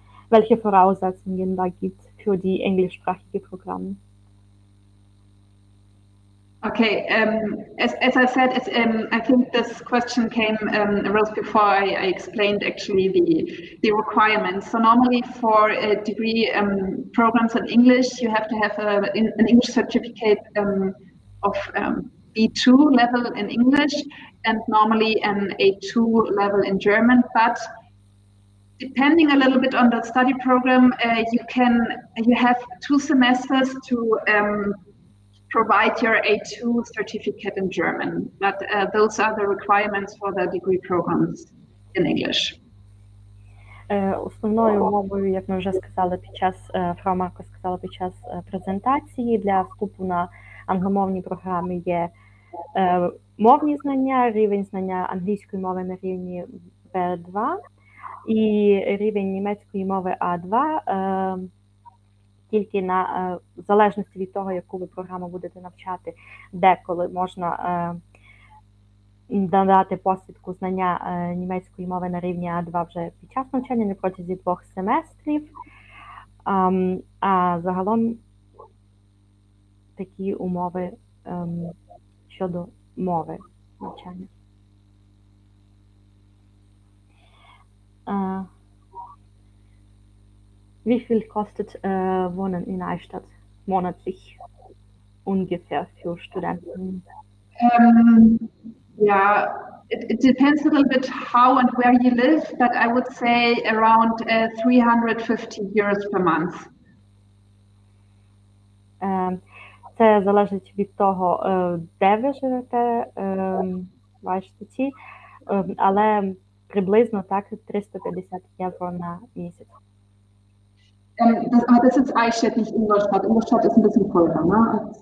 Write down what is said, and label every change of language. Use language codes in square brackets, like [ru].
[de] Welche Voraussetzungen da gibt für die englischsprachige Programme? [en] Okay, as I said, I think this question came arose before I explained actually the requirements. So normally for a degree programs in English, you have to have an English certificate of B2 level in English and normally an A2 level in German, but depending a little bit on the study program, you have two semesters to provide your A2 certificate in German. But those are the requirements for the degree programs in English. [uk] Основною мовою, як ми вже сказали під час, фрау Марко сказала під час презентації, для вступу на англомовні програми є мовні знання, рівень знання англійської мови на рівні B2 і рівень німецької мови A2 тільки на в залежності від того, яку ви програму будете навчати, деколи можна надати посвідку знання німецької мови на рівні А2 вже під час навчання на протязі 2 семестрів. А загалом такі умови щодо мови навчання. [de] Wie viel kostet Wohnen in Eichstätt monatlich ungefähr für Studenten? [en] Yeah, it depends a little bit how and where you live, but I would say around 350 euros per month. [uk] Це залежить від того, де ви живете, бачите ці, але приблизно так 350 євро на місяць. [de] Aber das ist Eichstätt, nicht Ingolstadt. Ingolstadt ist ein bisschen teurer, ne?